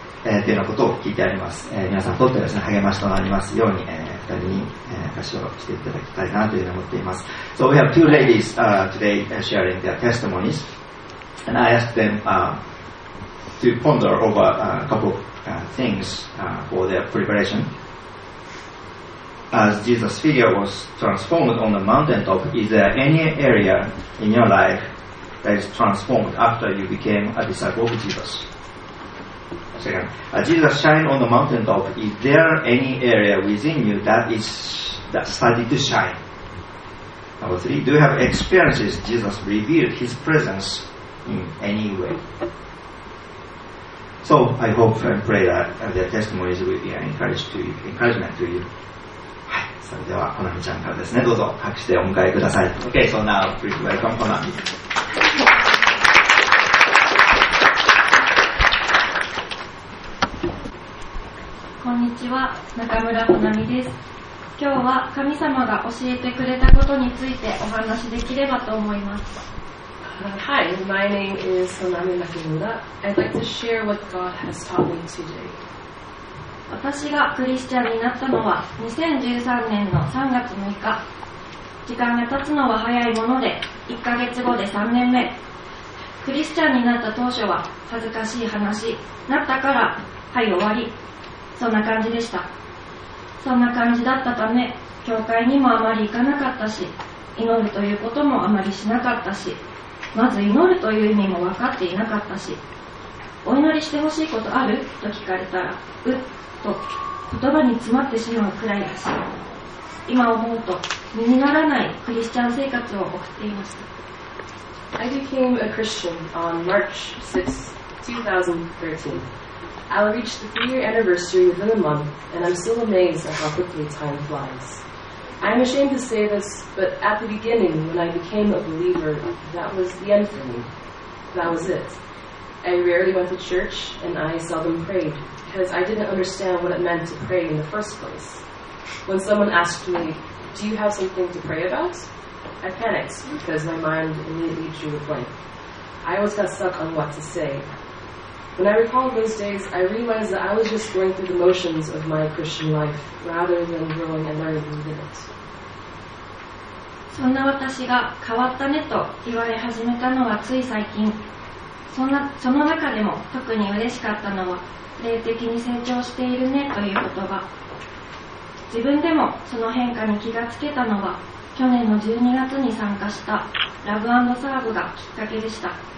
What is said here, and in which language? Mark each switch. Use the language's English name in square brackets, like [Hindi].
[Japanese] というようなことを聞いてあります。皆さんにとってですね、励ましとなりますように、2人に歌唱していただきたいなというふうに思っています。 [English] So we have two ladies today sharing their testimonies, and I asked them to ponder over a couple of things for their preparation. As Jesus' figure was transformed on the mountaintop, is there any area in your life that is transformed after you became a disciple of Jesus? As Jesus shined on the mountaintop, is there any area within you that started to shine? Number three, do you have experiences Jesus revealed His presence in any way? So I hope and pray that their testimonies will be encouragement to you. [Japanese] それでは、コナミちゃんからですね、どうぞ拍手でお迎えください。 [English] Okay, so now please welcome コナミ。 [Japanese] こんにちは、中村穂奈美です。今日は神様が教えてくれたことについてお話しできればと思います。 [English] Hi, my name is Honami Nakamura. I'd like to share what God has taught me today. [Japanese] 私がクリスチャンになったのは2013年の3月6日。時間が経つのは早いもので、1ヶ月後で3年目。クリスチャンになった当初は恥ずかしい話、なったから、はい終わり。そんな感じでした。そんな感じだったため、教会にもあまり行かなかったし、祈るということもあまりしなかったし、まず祈るという意味も分かっていなかったし、お祈りしてほしいことある？と聞かれたら、うっと言葉に詰まってしまうくらいです。今思うと身にならないクリスチャン生活を送っていました。 [English] I became a Christian on March 6, 2013. I'll reach the 3-year anniversary within a month, and I'm still amazed at how quickly time flies. I'm ashamed to say this, but at the beginning, when I became a believer, that was the end for me. That was it. I rarely went to church, and I seldom prayed, because I didn't understand what it meant to pray in the first place. When someone asked me, "Do you have something to pray about?" I panicked, because my mind immediately drew a blank. I always got stuck on what to say. When I recall those days, I realized that I was just going through the motions of my Christian life, rather than growing and learning within it. [Japanese] そんな私が変わったねと言われ始めたのはつい最近。その中でも特に嬉しかったのは、霊的に成長しているねという言葉。自分でもその変化に気がつけたのは、去年の12月に参加したラブ&サーブがきっかけでした。